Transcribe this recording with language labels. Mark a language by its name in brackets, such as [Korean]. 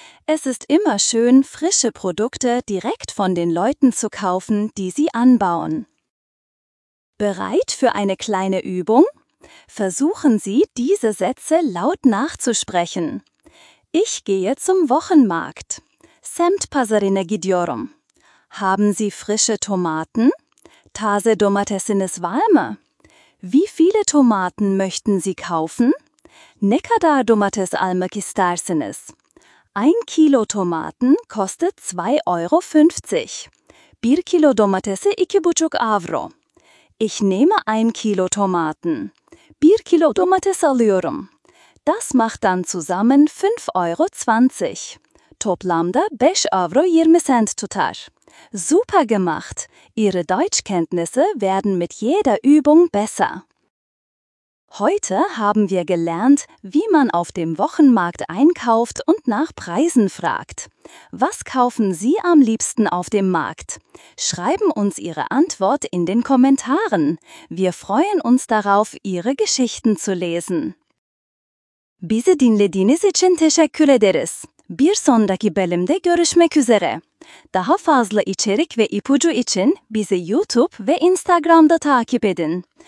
[German] Es ist immer schön, frische Produkte direkt von den Leuten zu kaufen, die sie anbauen. Bereit für eine kleine Übung? Versuchen Sie, diese Sätze laut nachzusprechen. Ich gehe zum Wochenmarkt. [Turkish] Semt pazarına gidiyorum. [German] Haben Sie frische Tomaten? [Turkish] Taze domatesiniz var mı? [German] Wie viele Tomaten möchten Sie kaufen? [Turkish] Ne kadar domates almak istersiniz? [German] 1 Kilo Tomaten kostet 2,50 Euro. [Turkish] 1 Kilo domatesi 2,5 Euro. [German] Ich nehme 1 Kilo Tomaten. [Turkish] 1 Kilo domates alıyorum. [German] Das macht dann zusammen 5,20 Euro. [Turkish] Toplamda 5,20 Euro tutar. [German] Super gemacht! Ihre Deutschkenntnisse werden mit jeder Übung besser. Heute haben wir gelernt, wie man auf dem Wochenmarkt einkauft und nach Preisen fragt. Was kaufen Sie am liebsten auf dem Markt? Schreiben uns Ihre Antwort in den Kommentaren. Wir freuen uns darauf, Ihre Geschichten zu lesen. [Turkish] Bizi dinlediğiniz için teşekkür ederiz. Bir sonraki bölümde görüşmek üzere. Daha fazla içerik ve ipucu için bizi YouTube ve Instagram'da takip edin.